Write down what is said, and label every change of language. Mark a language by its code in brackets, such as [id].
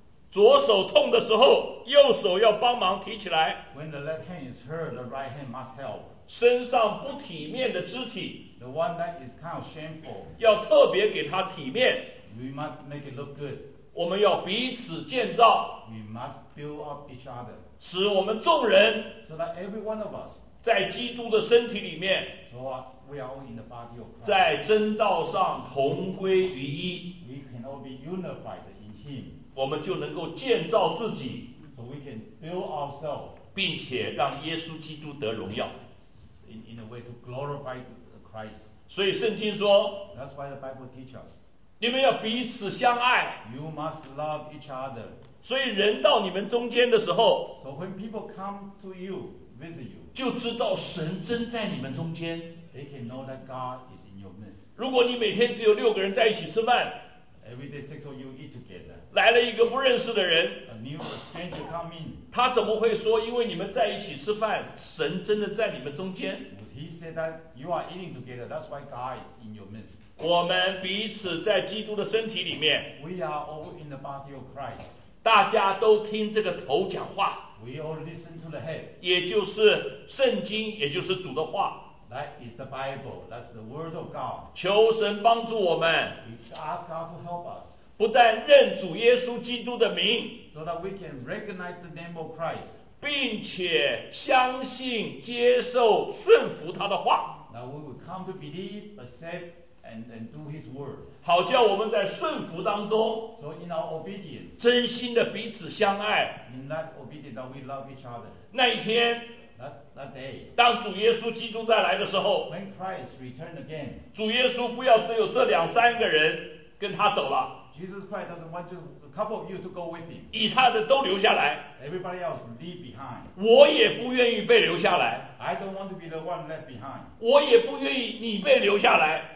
[zh] 左手痛的时候，右手要帮忙提起来。 [en] When the left hand is hurt, the right hand must help. [zh] 身上不体面的肢体。 [en] The one that is kind of shameful. [zh] 要特别给他体面。 [en] We must make it look good. [zh] 我们要彼此建造。 [en] We must build up each other. [zh] 使我们众人。 [en] So that every one of us. [zh] 在基督的身体里面。 [en] So We are all in the body of Christ. [zh] 在真道上同归于一 [en] we can all be unified in him. [zh] 我们就能够建造自己 [en] so we can build ourselves. [zh] 并且让耶稣基督得荣耀 [en] in a way to glorify Christ. [zh] 所以圣经说 [en] That's why the Bible teaches us. [zh] 你们要彼此相爱 [en] You must love each other. [zh] 所以人到你们中间的时候 [en] So when people come to you, visit you. [zh] 就知道神真在你们中间 [en] They can know that God is in your midst. [zh] 如果你每天只有六个人在一起吃饭 [en] Every day six of you eat together. [zh] 来了一个不认识的人 [en] A new stranger come in. [zh] 他怎么会说因为你们在一起吃饭神真的在你们中间 [en] Would he say that you are eating together, that's why God is in your midst. [zh] 我们彼此在基督的身体里面 [en] We are all in the body of Christ. [zh] 大家都听这个头讲话 [en] We all listen to the head. [zh] 也就是圣经也就是主的话 [en] That is the Bible. That's the word of God. [zh] 求神帮助我们。 [en] We ask God to help us. [zh] 不但认主耶稣基督的名。 [en] So that we can recognize the name of Christ. [zh] 并且相信、接受、顺服他的话。 [en] That we will come to believe, accept, and do his word. [zh] 好叫我们在顺服当中。 [en] So in our obedience. [zh] 真心的彼此相爱。 [en] In that obedience that we love each other. [zh] 那一天。 [en] That day, [zh] 当主耶稣基督再来的时候 [en] when Christ returned again, [zh] 主耶稣不要只有这两三个人跟他走了 [en] Jesus Christ doesn't want just a couple of you to go with him [zh] 以他的都留下来 [en] Everybody else leave behind [zh] 我也不愿意被留下来 [en] I don't want to be the one left behind [zh] 我也不愿意你被留下来